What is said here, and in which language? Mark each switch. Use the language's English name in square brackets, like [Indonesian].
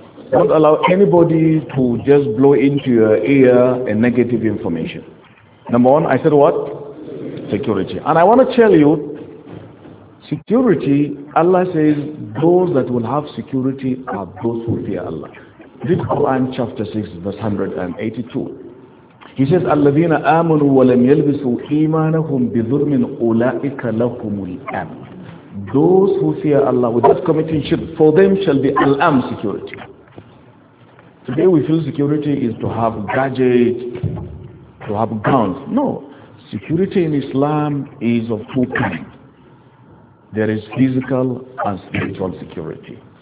[English] Don't allow anybody to just blow into your ear a negative information. Number one, I said what? Security. And I want to tell you, security, Allah says, those that will have security are those who fear Allah. Read Quran chapter 6, verse 182. He says, [Arabic] الَّذِينَ آمَنُوا وَلَمْ يَلْبِسُوا إِيمَانَهُمْ بِذُرْمٍ أُولَٰئِكَ لَهُمُ الْأَمْنُ. [English] Those who fear Allah without committing shirk, for them shall be al-am security. Today we feel security is to have gadgets, to have guns. No. Security in Islam is of two kinds. There is physical and spiritual security.